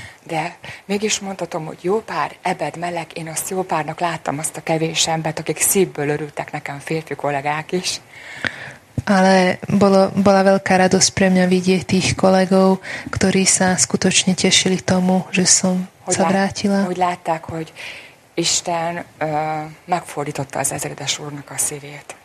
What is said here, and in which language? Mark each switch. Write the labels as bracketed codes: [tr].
[hu] De mégis mondhatom, hogy jó pár ebed meleg, én azt jó párnak láttam, azt a kevés embert, akik szívből örültek nekem, férfi kollégák is. [sk] Ale bola veľká radosť pre mňa vidieť tých kolegov, ktorí sa skutočne tešili tomu, že som sa vrátila. [hu] Hogy látták, hogy Isten megfordította az ezredes úrnak a szívét.